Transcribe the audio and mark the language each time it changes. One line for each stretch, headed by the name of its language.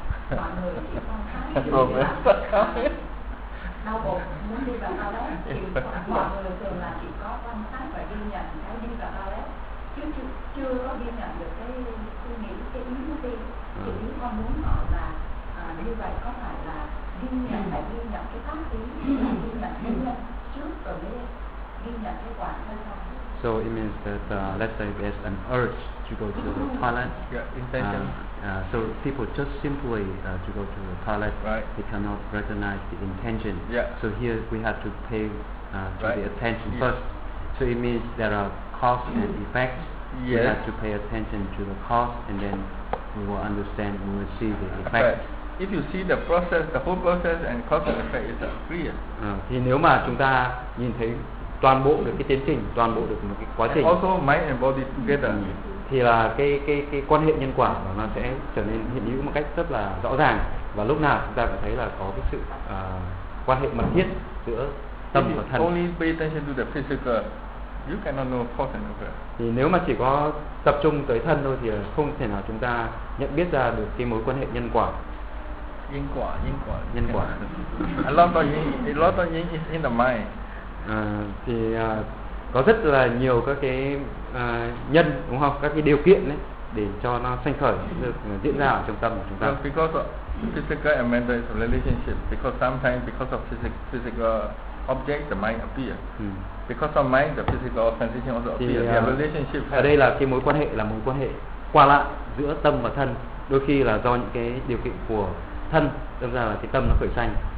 Vietnamese: Mọi người chỉ quan sát những gì là đau bụng muốn đi vào toilet, mọi người thường là chỉ có quan sát và ghi nhận cái đi vào toilet chưa có ghi nhận được cái suy nghĩ, cái ý muốn đi. Chỉ mong muốn họ là như vậy, có phải là ghi nhận lại ghi nhận cái tác ý, ghi nhận trước rồi ghi nhận cái quả thân không?
English: So it means that let's say there's an urge to go to the toilet. Yeah, intention. So people just simply to go to the toilet, right. They cannot recognize the intention. Yeah. So here we have to pay to right. the attention yeah. first. So it means there are cause and effect. Yes. We have to pay attention to the cause, and then we will understand, we will see the effect. Right. If you see the process, the whole process and cause and effect is clear.
Vietnamese: Thì nếu mà chúng ta nhìn thấy toàn bộ được cái tiến trình, toàn bộ được một cái quá trình.
English: And also mind and body together.
Vietnamese: Thì là cái quan hệ nhân quả của nó sẽ trở nên hiện hữu một cách rất là rõ ràng, và lúc nào chúng ta cũng thấy là có cái sự quan hệ mật thiết giữa tâm và thân.
English: Only pay attention to the physical, you cannot know cause and effect.
Vietnamese: Thì nếu mà chỉ có tập trung tới thân thôi thì không thể nào chúng ta nhận biết ra được cái mối quan hệ nhân quả. Nhân quả.
English: A lot of yin is in the mind.
Vietnamese: Có rất là nhiều các cái nhân, đúng không? Các cái điều kiện ấy, để cho nó sanh khởi được diễn ra ở trong tâm của chúng ta.
English: Because of physical and mental is a relationship. Because sometimes because of physical object the mind appear. Because of mind the physical sensation also appear. The relationship.
Vietnamese: Ở đây là cái mối quan hệ, là mối quan hệ qua lại giữa tâm và thân. Đôi khi là do những cái điều kiện của thân, đâm ra là cái tâm nó khởi sanh.